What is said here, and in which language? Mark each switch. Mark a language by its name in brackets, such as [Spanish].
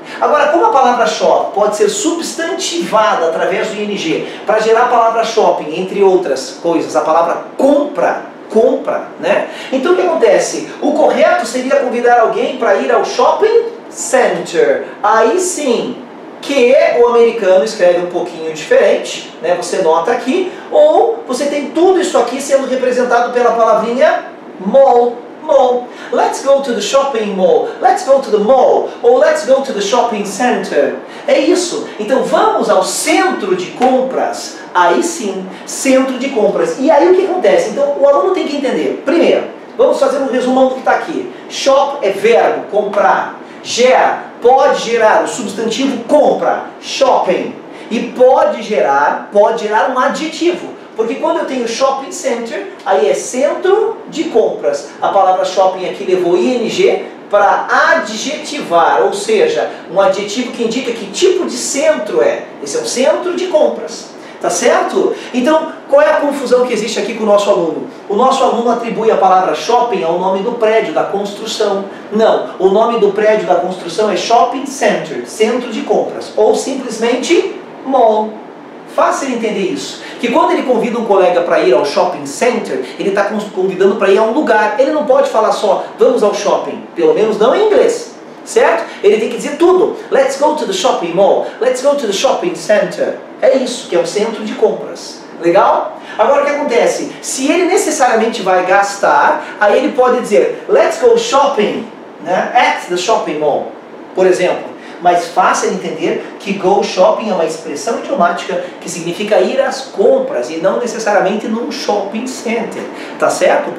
[Portuguese] Agora, como a palavra shop pode ser substantivada através do ing para gerar a palavra shopping, entre outras coisas, a palavra compra, né? Então, o que acontece? O correto seria convidar alguém para ir ao shopping center. Aí sim, que o americano escreve um pouquinho diferente, né? Você nota aqui, ou você tem tudo isso aqui sendo representado pela palavrinha mall. [English] Let's go to the shopping mall. Let's go to the mall. [Portuguese] Ou [English] let's go to the shopping center. [Portuguese] É isso. Então vamos ao centro de compras. Aí sim, centro de compras. E aí o que acontece? Então o aluno tem que entender. Primeiro, vamos fazer um resumão do que está aqui. Shop é verbo, comprar. Pode gerar o substantivo compra, shopping. E pode gerar um adjetivo, Porque quando eu tenho shopping center, aí é centro de compras. A palavra shopping aqui levou ing para adjetivar, ou seja, um adjetivo que indica que tipo de centro é. Esse é um centro de compras. Tá certo? Então, qual é a confusão que existe aqui com o nosso aluno? O nosso aluno atribui a palavra shopping ao nome do prédio, da construção. Não, o nome do prédio da construção é shopping center, centro de compras, ou simplesmente mall. Faça ele entender isso. Que quando ele convida um colega para ir ao shopping center, ele está convidando para ir a um lugar. Ele não pode falar só, vamos ao shopping, pelo menos não em inglês. Certo? Ele tem que dizer tudo. [English] Let's go to the shopping mall. Let's go to the shopping center. [Portuguese] É isso, que é o centro de compras. Legal? Agora o que acontece? Se ele necessariamente vai gastar, aí ele pode dizer, [English] let's go shopping, [Portuguese] né? [English] At the shopping mall, [Portuguese] por exemplo. Mas faça ele entender que go shopping é uma expressão idiomática que significa ir às compras e não necessariamente num shopping center. Tá certo?